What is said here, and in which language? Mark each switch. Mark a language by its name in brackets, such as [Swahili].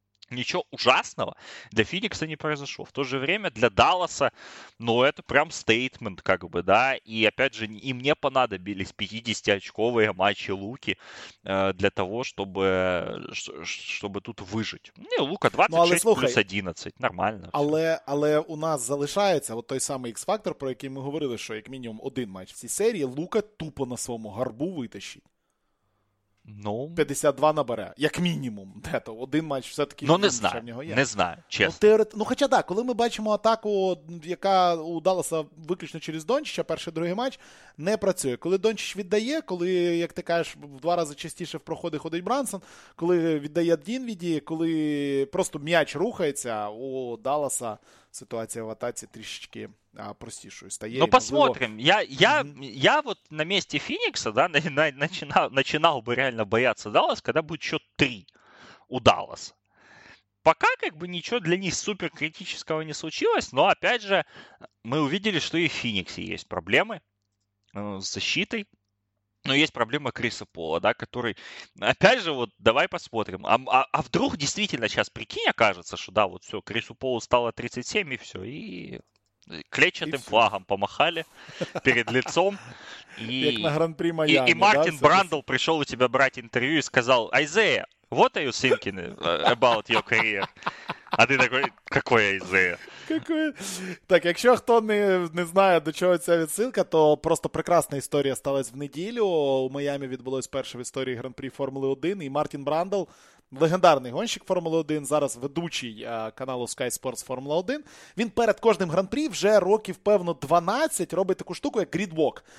[Russian] Ничего ужасного для Феникса не произошло. В то же время для Далласа, ну, это прям стейтмент, как бы, да. И, опять же, и мне понадобились 50-очковые матчи Луки для того, чтобы тут выжить. Не, Лука 26 плюс 11. Нормально. [Ukrainian] Але у нас залишається от той самий X-фактор, про який ми говорили, що як мінімум один матч в цій серії Лука тупо на своєму гарбу витащить. Ну, 52 набере, як мінімум. Де-то. Один матч все-таки не знаю, в нього є. Не знаю, чесно. Хоча так, коли ми бачимо атаку, яка у Далласа виключно через Дончича, перший-другий матч, не працює. Коли Дончич віддає, коли, як ти кажеш, в два рази частіше в проходи ходить Брансон, коли віддає Дінвіді, коли просто м'яч рухається, у Далласа ситуація в атаці трішечки простішою стає. [Russian] Ну, посмотрим. Я вот [Ukrainian] на місці Фінікса, [Russian] да, начинал би реально бояться Даллас, [Ukrainian] коли буде [Russian] счет 3 у Далласа. Пока как бы ничего для них супер критического не случилось, но опять же мы увидели, что и в Фениксе есть проблемы с защитой. Но есть проблема Криса Пола, да, который, опять же, вот давай посмотрим. А вдруг действительно сейчас, прикинь, окажется, что да, вот все, Крису Полу стало 37 и все, и Клетчатым флагам помахали перед лицом. [Ukrainian] Як на гран-прі І [Russian] Майами, да? [Ukrainian] Мартін Брандл прийшов у тебе брати інтерв'ю і сказав: «Айзея, [English] what are you thinking about your career?» [Russian] А ти такий: «Какой Айзея?» [Ukrainian] Так, якщо хто не знає, до чого ця відсилка, то просто прекрасна історія сталася в неділю. У Майамі відбулось перше в історії гран-прі Формули 1, і Мартін Брандл, легендарний гонщик Формули 1, зараз ведучий каналу Sky Sports Формула 1, він перед кожним гран-прі вже років, певно, 12 робить таку штуку, як грідвок.